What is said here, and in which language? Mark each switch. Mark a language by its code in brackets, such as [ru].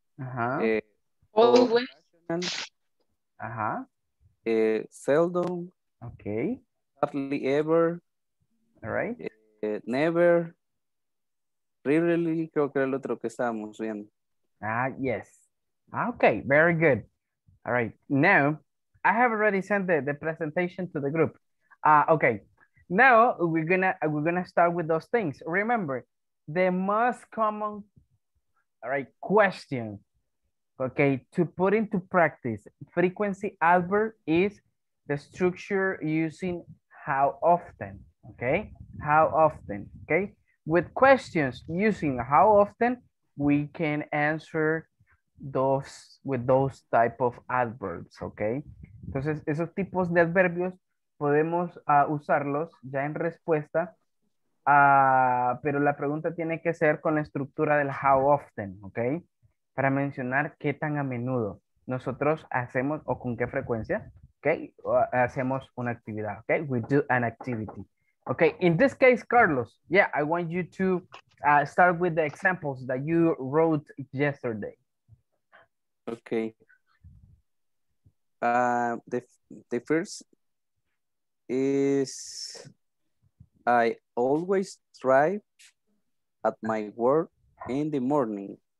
[en] uh-huh. Always. Ajá. Seldom, okay, hardly ever, all right, never, rarely, [es] creo que era el otro que estábamos viendo. [en] Yes, okay, very good. All right, now I have already sent the presentation to the group. Okay, now we're gonna start with those things. Remember, the most common, all right, question. Okay, to put into practice, frequency adverb is the structure using how often, okay? How often, okay? With questions using how often, we can answer those with those type of adverbs, okay? [es] Entonces, esos tipos de adverbios podemos usarlos ya en respuesta, pero la pregunta tiene que ser con la estructura del [en] how often, okay? [es] Para mencionar qué tan a menudo nosotros hacemos o con qué frecuencia, okay, hacemos una actividad, okay, [en] we do an activity. Okay, in this case, Carlos, yeah, I want you to start with the examples that you wrote yesterday. Okay. The first is, I always drive at my work in the morning.